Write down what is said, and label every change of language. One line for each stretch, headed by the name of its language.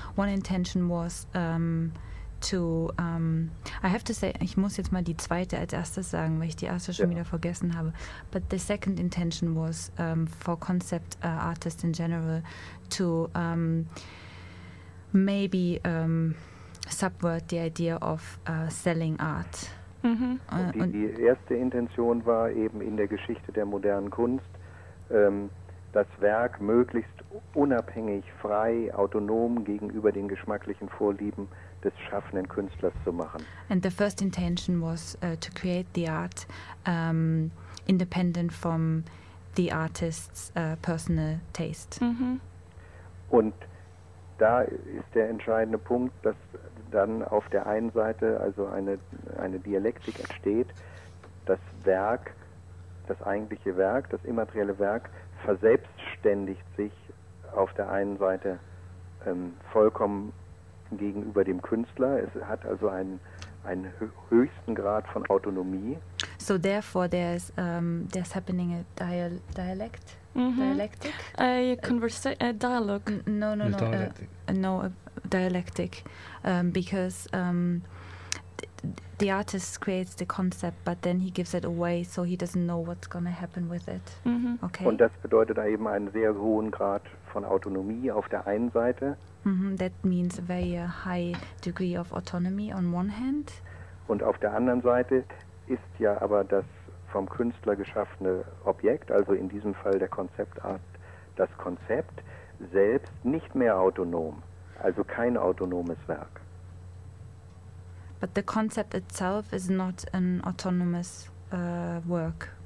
English: One intention was I have to say,
German: ich muss jetzt mal die zweite als erstes sagen, weil ich die erste schon wieder vergessen habe.
English: But the second intention was for concept artists in general to maybe subvert the idea of selling art. Mhm.
German: Die erste Intention war eben in der Geschichte der modernen Kunst, das Werk möglichst unabhängig, frei, autonom gegenüber den geschmacklichen Vorlieben des schaffenden Künstlers zu machen.
English: And the first intention was to create the art independent from the artist's personal taste. Mhm.
German: Und da ist der entscheidende Punkt, dass dann auf der einen Seite also eine Dialektik entsteht, das Werk, das eigentliche Werk, das immaterielle Werk, verselbstständigt sich auf der einen Seite vollkommen gegenüber dem Künstler. Es hat also einen höchsten Grad von Autonomie.
English: So therefore there's happening a dialect. Mm-hmm. Dialectic? A dialogue. Dialectic. Because the artist creates the concept, but then he gives it away, so he doesn't know what's going to happen with it. Mm-hmm. Okay.
German: Und das bedeutet eben einen sehr hohen Grad von Autonomie auf der einen Seite.
English: Mm-hmm. That means a very high degree of autonomy on one hand.
German: Und auf der anderen Seite ist ja aber das vom Künstler geschaffene Objekt, also in diesem Fall der Konzeptart, das Konzept selbst nicht mehr autonom, also kein autonomes Werk.
English: But the concept itself is not an autonomous work.